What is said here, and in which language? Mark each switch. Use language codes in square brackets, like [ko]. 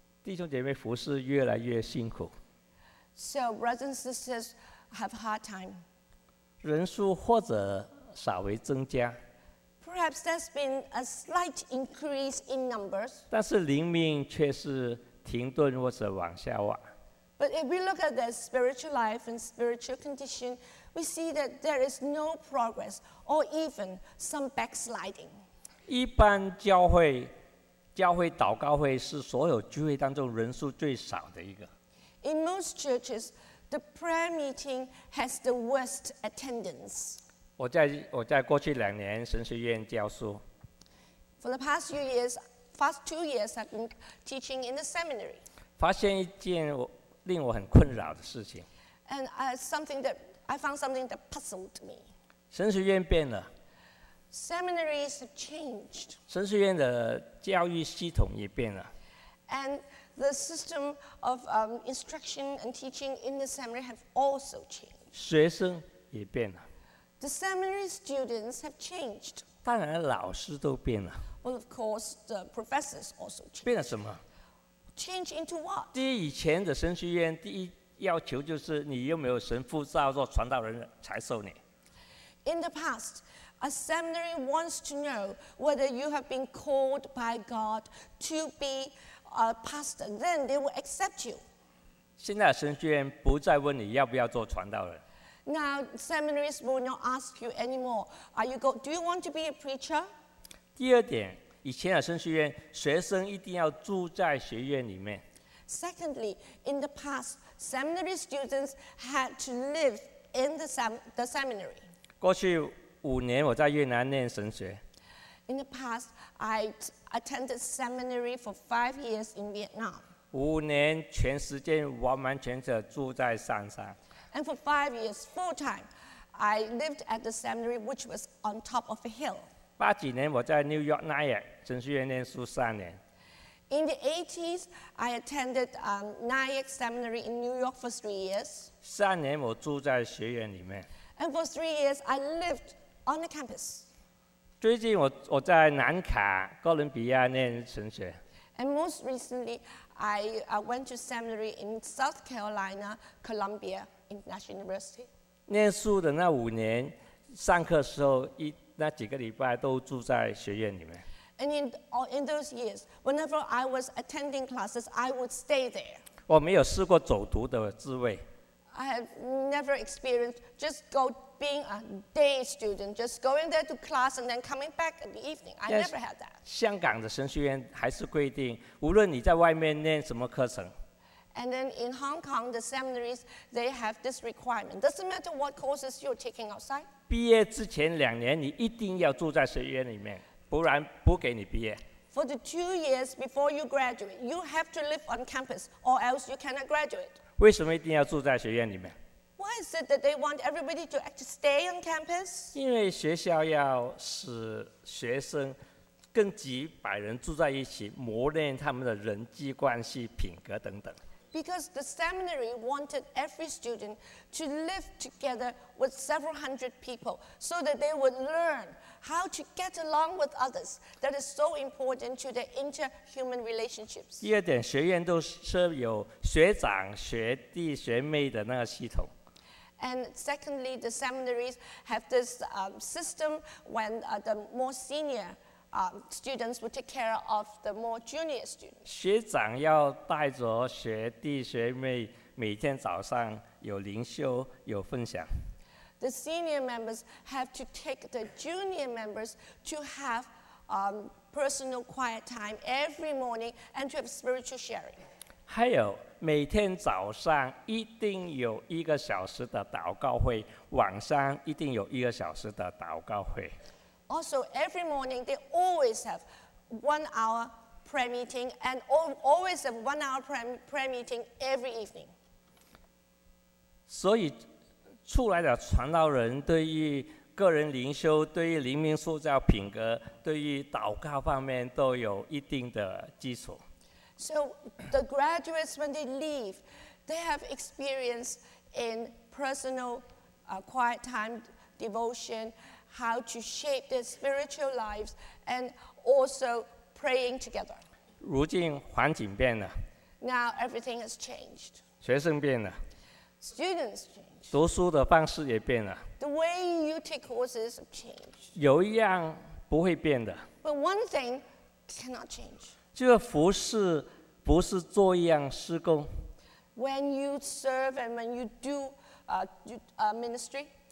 [zh] 弟兄姐妹服事越来越辛苦。 [en] So brothers and sisters have a hard time. [zh] 人数或者稍微增加。 [en] Perhaps there's been a slight increase in numbers. [zh] 但是灵命却是停顿或者往下滑。 [en] But if we look at their spiritual life and spiritual condition, we see that there is no progress or even some backsliding. [zh] 一般教会祷告会是所有聚会当中人数最少的一个。 [en] In most churches, the prayer meeting has the worst attendance. [zh] 我在过去两年神学院教书。 [en] For the past two years, I've been teaching in the seminary. [zh] 发现一件令我很困扰的事情。 [en] And I found something that puzzled me. [zh] 神学院变了。 [en] Seminaries have changed. [zh] 神学院的教育系统也变了。 [en] And the system of instruction and teaching in the seminary have also changed. [zh] 学生也变了。 [en] The seminary students have changed. [zh] 当然老师都变了。 [en] Well, of course, the professors also changed. [zh] 变了什么？ [en] Change into what? [zh] 第一，以前的神学院第一要求就是你有没有神父照做传道人才收你。 [en] In the past, a seminary wants to know whether you have been called by God to be a pastor. Then they will accept you. [zh] 现在神学院不再问你要不要做传道人。 [en] Now seminaries will not ask you anymore. Do you want to be a preacher? [zh] 第二点。以前的神学院，学生一定要住在学院里面。 [en] Secondly, in the past, seminary students had to live in the seminary. [zh] 过去五年我在越南念神学。 [en] In the past, I attended seminary for 5 years in Vietnam. [zh] 五年全时间完完全全住在山上。 [en] And for 5 years, full time, I lived at the seminary, which was on top of a hill. [zh] 八几年我在 New York 奈尔神学院念书三年。 [en] In the 80s, I attended Nyack Seminary in New York for 3 years. [zh] 三年我住在学院里面。 [en] And for 3 years, I lived on the campus. [zh] 最近我在南卡哥伦比亚念神学。 [en] And most recently, I went to seminary in South Carolina, Columbia International University. [zh] 念书的那五年，上课时候那几个礼拜都住在学院里面。 [en] And in those years, whenever I was attending classes, I would stay there. [zh] 我没有试过走读的滋味。 [en] I have never experienced just being a day student, just going there to class and then coming back in the evening. I never had that. [zh] 香港的神学院还是规定，无论你在外面念什么课程。 [en] And then in Hong Kong, the seminaries, they have this requirement. Doesn't matter what courses you're taking outside. [zh] 毕业之前两年，你一定要住在学院里面，不然不给你毕业。 [en] For the 2 years before you graduate, you have to live on campus or else you cannot graduate. [zh] 为什么一定要住在学院里面？ [en] Why is it that they want everybody to stay on campus? [zh] 因为学校要使学生跟几百人住在一起，磨练他们的人际关系、品格等等。 [en] Because the seminary wanted every student to live together with several hundred people so that they would learn how to get along with others. That is so important to their inter-human relationships. [zh] 第二点，学院都设有学长、学弟、学妹的那个系统。 [en] And secondly, the seminaries have this system when the more senior students will take care of the more junior students. [zh] 学长要带着学弟学妹每天早上有灵修有分享。 [en] The senior members have to take the junior members to have personal quiet time every morning and to have spiritual sharing. [zh] 还有每天早上一定有一个小时的祷告会，晚上一定有一个小时的祷告会。 [en] Also, every morning they always have 1 hour prayer meeting and always have 1 hour prayer meeting every evening. [zh] 所以出来的传道人对于个人灵修、对于灵命塑造品格、对于祷告方面都有一定的基础。 [en] So the graduates, when they leave, they have experience in personal quiet time devotion, how to shape their spiritual lives, and also praying together. [zh] 如今环境变了。 [en] Now everything has changed. [zh] 学生变了。 [en] Students changed. [zh] 读书的方式也变了。 [en] The way you take courses have changed. [zh] 有一样不会变的。 [en] But one thing cannot change. [zh] 这个服事不是做一样施工。 [en] When you serve and when you do ministry,